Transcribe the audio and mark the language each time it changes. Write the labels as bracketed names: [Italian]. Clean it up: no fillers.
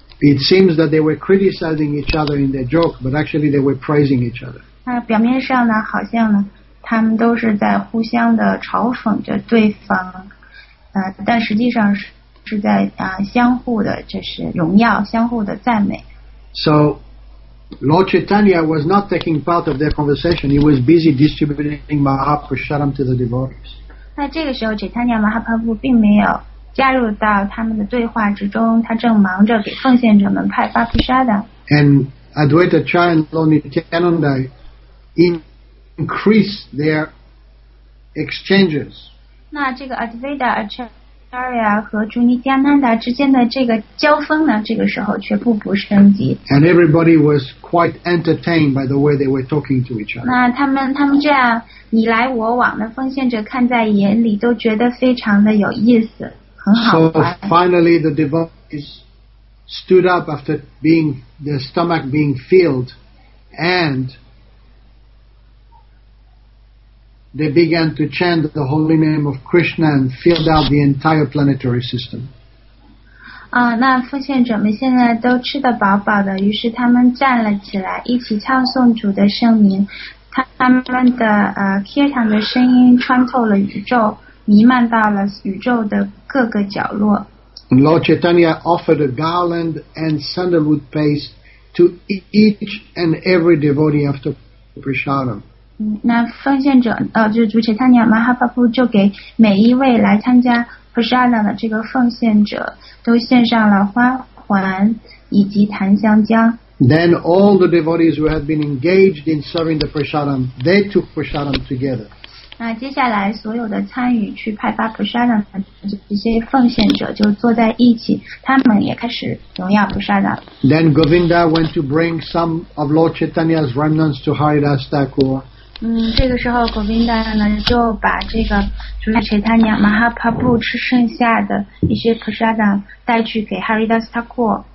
[English] It seems that they were criticizing each other in their joke, but actually they were praising each other. [Chinese] 那表面上呢，好像呢，他们都是在互相的嘲讽着对方，但实际上是在相互的就是荣耀，相互的赞美。 [English] So. Lord Chaitanya was not taking part of their conversation. He was busy distributing Mahaprasadam to the devotees. [Chinese] 那这个时候 ，Chaitanya Mahaprabhu 并没有加入到他们的对话之中，他正忙着给奉献者们派发披沙的。 [English] And Advaita Chandra Nityananda increase their exchanges. [Chinese] 那这个 Advaita Acharya 和 Junityananda 之间的这个交锋呢，这个时候却步步升级。 [English] And everybody was quite entertained by the way they were talking to each other. [Chinese] 那他们这样你来我往的奉献者看在眼里，都觉得非常的有意思。 [English] So finally, the devotees stood up after being their stomach being filled, and they began to chant the holy name of Krishna and filled out the entire planetary system. [Chinese] Ah, 那奉献者们现在都吃得饱饱的，于是他们站了起来，一起唱诵主的圣名。他们的kirtan的声音穿透了宇宙。弥漫到了宇宙的各个角落。 [English] Lord Chaitanya offered a garland and sandalwood paste to each and every devotee after prasadam. [Chinese] 那奉献者就是主 Chaitanya Mahaprabhu 就给每一位来参加 prasadam 的这个奉献者都献上了花环以及檀香浆。 [English] Then all the devotees who had been engaged in serving the prasadam, they took prasadam together. [Chinese] 那接下来所有的参与去派发菩萨的这些奉献者就坐在一起，他们也开始荣耀菩萨的。 [English] Then Govinda went to bring some of Lord Chaitanya's remnants to Haridas Thakur. [Chinese] 这个时候 Govinda 呢就把这个主 Chaitanya Mahaprabhu 吃剩下的一些菩萨的带去给 Haridas Thakur.